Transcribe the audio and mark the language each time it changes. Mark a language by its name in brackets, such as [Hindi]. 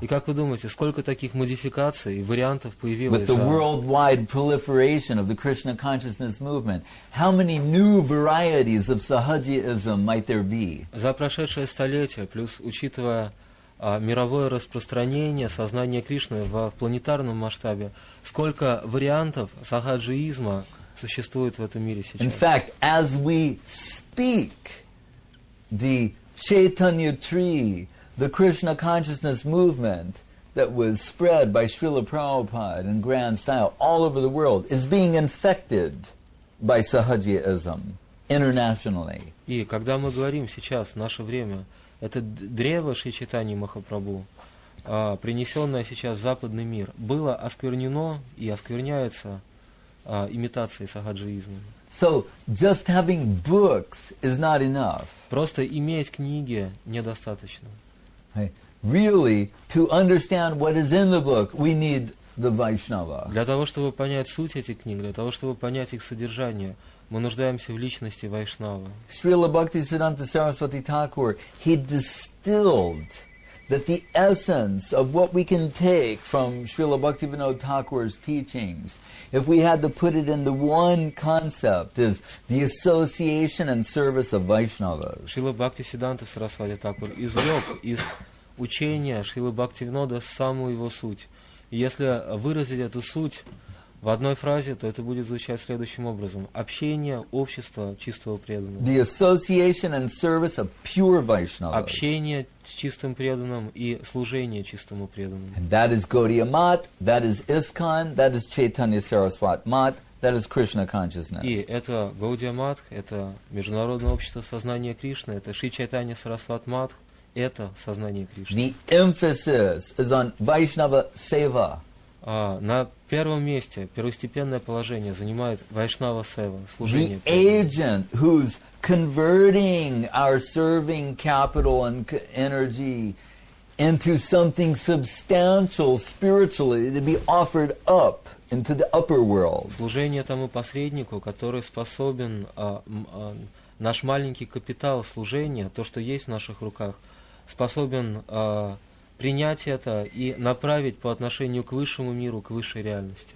[Russian] И как вы думаете, сколько таких модификаций и вариантов появилось? [English] With the worldwide proliferation of the Krishna consciousness movement, how many new varieties of sahajyaism might there be? [Russian] За прошедшее столетие, плюс учитывая мировое распространение сознания Кришны в планетарном масштабе, сколько вариантов сахаджиизма существует в этом мире сейчас? [English] In fact, as we speak, the Chaitanya Tree, the Krishna consciousness movement that was spread by Srila Prabhupada in grand style all over the world is being infected by sahajyaism internationally. [Russian] И когда мы говорим сейчас, в наше время, это древо Шри Чайтаньи Махапрабху, принесенное сейчас в западный мир, было осквернено и оскверняется имитацией сахаджиизма. [English] So, just having books is not enough. [Russian] Просто иметь книги недостаточно. [English] Really, to understand what is in the book, we need the Vaishnava. [Russian] Для того, чтобы понять суть этих книг, для того, чтобы понять их содержание, мы нуждаемся в личности Вайшнава. [English] Srila Bhaktisiddhanta Saraswati Thakur, he distilled that the essence of what we can take from Srila Bhaktivinoda Thakur's teachings, if we had to put it in the one concept, is the association and service of Vaishnavas. [Russian] Srila Bhaktisiddhanta Saraswati Thakur извлек из учения Srila Bhaktivinoda самую его суть. Если выразить эту суть в одной фразе, то это будет звучать следующим образом. Общение, общество чистого преданного. [English] The association and service of pure Vaishnavas. [Russian] Общение с чистым преданным и служение чистому преданному. [English] And that is Gaudiya Math, that is ISKCON, that is Chaitanya Saraswat Math, that is Krishna Consciousness. [Russian] И это Gaudiya Math, это Международное общество сознания Кришны, это Шри Чайтанья Сарасват Матх, это сознание Кришны. [English] The emphasis is on Vaishnava Seva. [Russian] На первом месте первостепенное положение занимает Вайшнава Сева, служение. [English] The agent who's converting our serving capital and energy into something substantial spiritually to be offered up into the upper world. [Russian] Служение тому посреднику, который способен наш маленький капитал служения, то, что есть в наших руках, способен принять это и направить по отношению к высшему миру, к высшей реальности.